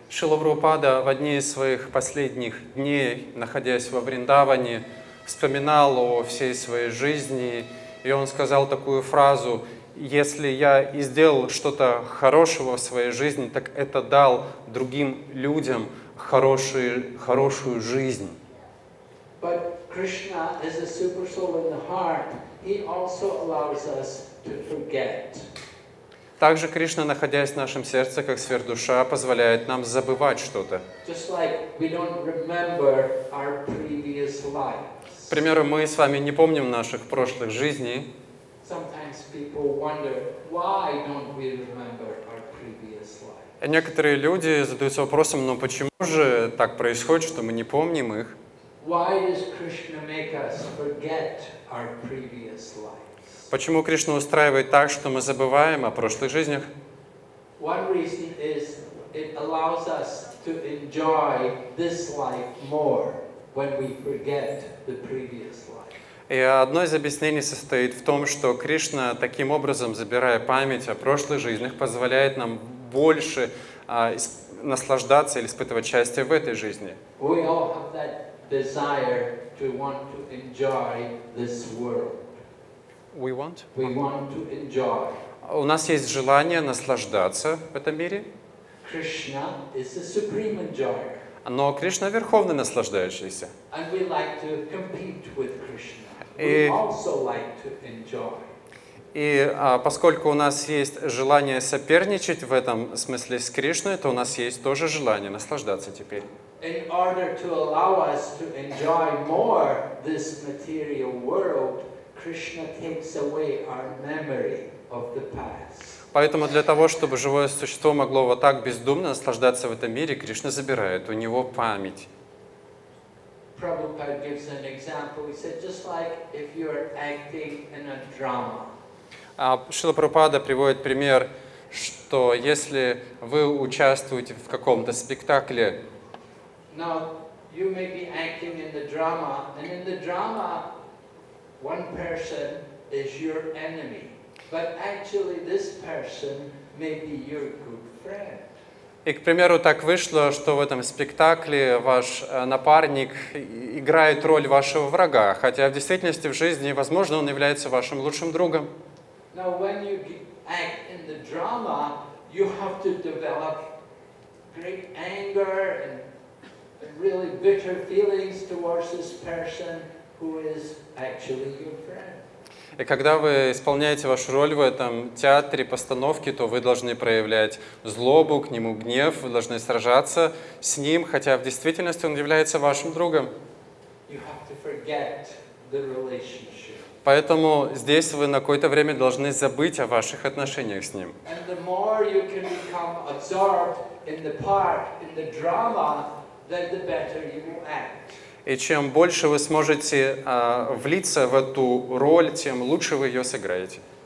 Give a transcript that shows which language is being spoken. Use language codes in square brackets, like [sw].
[ru] Шрила Прабхупада в одни из своих последних дней, находясь во Вриндаване, вспоминал о всей своей жизни, и он сказал такую фразу: «Если я и сделал что-то хорошего в своей жизни, так это дал другим людям хорошую жизнь». [en] But Krishna is a super soul in the heart. He also allows us to forget. [ru] Также Кришна, находясь в нашем сердце, как сверхдуша, позволяет нам забывать что-то. [en] Just like we don't remember our previous lives. [ru] К примеру, мы с вами не помним наших прошлых жизней. [en] Sometimes people wonder, why don't we remember our previous lives? [ru] Некоторые люди задаются вопросом, но почему же так происходит, что мы не помним их? [en] Why does Krishna make us forget our previous lives? [ru] Почему Кришна устраивает так, что мы забываем о прошлых жизнях? [en] One reason is it allows us to enjoy this life more when we forget the previous life. [ru] И одно из объяснений состоит в том, что Кришна таким образом, забирая память о прошлых жизнях, позволяет нам больше наслаждаться или испытывать счастье в этой жизни. [en] We all have that desire to want to enjoy this world. We want? We want to enjoy. [ru] У нас есть желание наслаждаться в этом мире. [en] Krishna is the supreme enjoyer. [ru] Но Кришна — верховный наслаждающийся. [en] And we like to compete with Krishna. We also like to enjoy. [ru] И поскольку у нас есть желание соперничать в этом смысле с Кришной, то у нас есть тоже желание наслаждаться теперь. [en] In order to allow us to enjoy more this material world, Krishna takes away our memory of the past. [ru] Поэтому для того, чтобы живое существо могло вот так бездумно наслаждаться в этом мире, Кришна забирает у него память. [en] Prabhupada gives an example. He said, just like if you're acting in a drama. [ru] Шрила Прабхупада приводит пример, что если вы участвуете в каком-то спектакле, [en] now, you may be acting in the drama, and in the drama, one person is your enemy. But actually, this person may be your good friend. [ru] И, к примеру, так вышло, что в этом спектакле ваш напарник играет роль вашего врага, хотя в действительности в жизни, возможно, он является вашим лучшим другом. [en] Now, when you act in the drama, you have to develop great anger and really bitter feelings towards this person who is actually your friend. [ru] И когда вы исполняете вашу роль в этом театре постановки, то вы должны проявлять злобу к нему, гнев, вы должны сражаться с ним, хотя в действительности он является вашим другом. [en] You have to forget the relationship. [ru] Поэтому здесь вы на какое-то время должны забыть о ваших отношениях с ним. [en] And the more you can become absorbed in the part, in the drama, then the better you will act. [ru] И чем больше вы сможете влиться в эту роль, тем лучше вы ее сыграете.